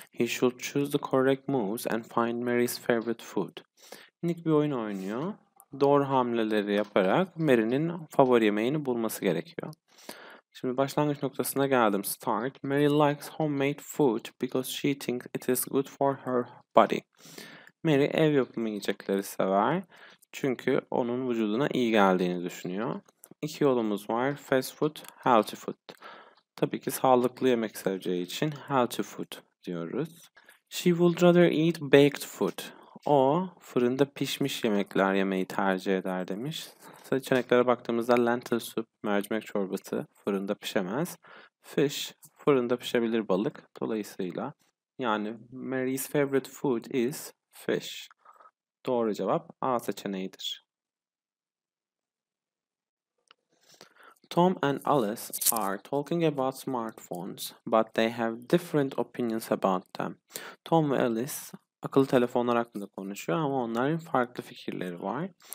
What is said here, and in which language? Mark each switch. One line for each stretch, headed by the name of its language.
English: He should choose the correct moves and find Mary's favorite food.
Turkish: Nick bir oyun oynuyor. Doğru hamleleri yaparak Mary'nin favori yemeğini bulması gerekiyor. Şimdi başlangıç noktasına geldim.
English: Start. Mary likes homemade food because she thinks it is good for her body.
Turkish: Mary ev yapımı yiyecekleri sever. Çünkü onun vücuduna iyi geldiğini düşünüyor. İki yolumuz var.
English: Fast food, healthy food.
Turkish: Tabii ki sağlıklı yemek seveceği için healthy food diyoruz.
English: She would rather eat baked food.
Turkish: O fırında pişmiş yemekler yemeyi tercih eder demiş. Seçeneklere baktığımızda lentil soup, mercimek çorbası fırında pişemez.
English: Fish,
Turkish: fırında pişebilir balık. Dolayısıyla yani
English: Mary's favorite food is fish.
Turkish: Doğru cevap A seçeneğidir.
English: Tom and Alice are talking about smartphones, but they have different opinions about them.
Turkish: Tom ve Alice akıllı telefonlar hakkında konuşuyor ama onların farklı fikirleri var.